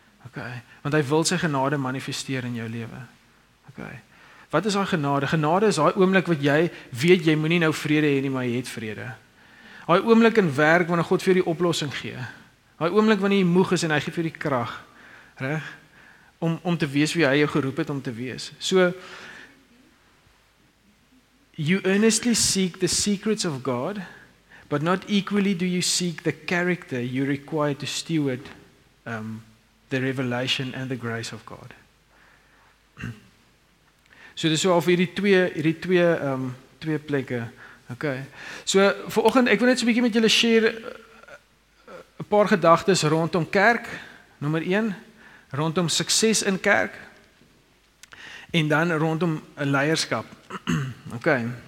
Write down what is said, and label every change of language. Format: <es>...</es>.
<af>Okay, want hy wil sy genade manifesteer in jou lewe. Okay. Wat is daai genade? Genade is daai oomblik wat jy weet jy moenie nou vrede hê nie, maar jy het vrede. Daai oomblik in werk wanneer God vir die oplossing gee. Daai oomblik wanneer jy moeg is en hy gee vir die krag, reg? Om te wees wie hy jou geroep het om te wees.</af> <en>So you earnestly seek the secrets of God, but not equally do you seek the character you require to steward the revelation and the grace of God.</en> <af>So dis so al vir hierdie twee plekke. Okay. So vanoggend ek wil net so 'n bietjie met julle share 'n paar gedagtes rondom kerk. Nommer 1, rondom sukses in kerk. En dan rondom leierskap. Okay.</af>